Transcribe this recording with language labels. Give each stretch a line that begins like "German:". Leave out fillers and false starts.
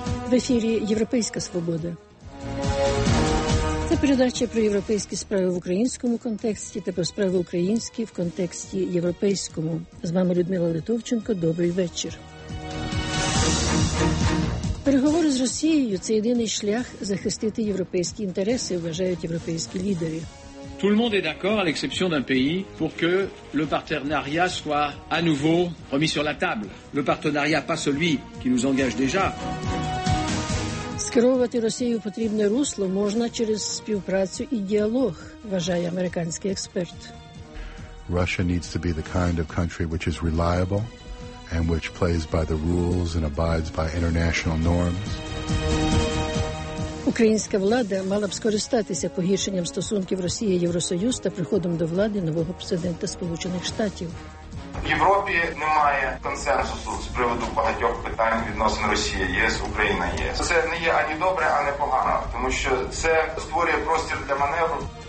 Ukrainian: В ефірі «Європейська свобода». Це передача про європейські справи в українському контексті та про справи українські в контексті європейському. З вами Людмила Литовченко. Добрий вечір. Переговори з Росією – це єдиний шлях захистити європейські інтереси, вважають європейські лідери.
French: Tout le monde est d'accord, à l'exception d'un pays, pour que le partenariat soit à nouveau remis sur la table. Le partenariat, pas celui qui nous engage déjà.
Ukrainian: Скеровувати Росію потрібне русло можна через співпрацю і діалог, вважає американський експерт.
English: Russia needs to be the kind of country which is reliable and which plays by the rules and abides by international norms.
Ukrainian: Українська влада мала б скористатися погіршенням стосунків Росії Євросоюз та приходом до влади нового президента Сполучених Штатів. В Європі немає консенсусу з приводу багатьох питань відносно Росії, ЄС, Україна, ЄС. Це не є ані добре, ані погано, тому що це створює простір для маневру.